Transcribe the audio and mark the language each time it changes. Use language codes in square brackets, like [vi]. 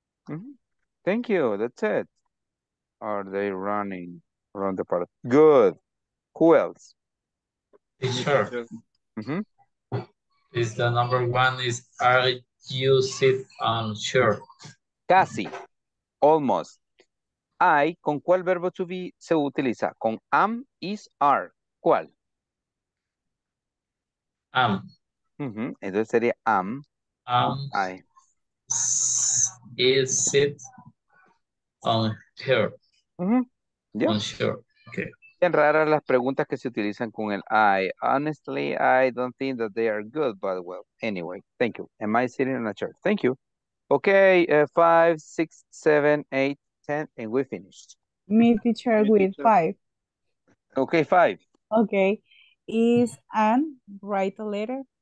[en] Mm-hmm. Thank you. That's it. Are they running around the park? Good. Who else? It's her. Mm-hmm. Is the number one is are you sit on shirt? [es] Casi. Almost. I, ¿con cuál verbo to be se utiliza? Con am, is, are. ¿Cuál? [en] Am. [es] Mm-hmm. Entonces sería am. [en] Am. I. Is sit on her. Mm-hmm. Yeah. On shirt. Okay. [es] Bien raras las preguntas que se utilizan con el I. [en] Honestly, I don't think that they are good, but well, anyway, thank you. Am I sitting in a chair? Thank you. Okay, 5, 6, 7, 8, 10, and we finished. Me, teacher, with 5. Okay, 5. Okay, is Anne write a letter?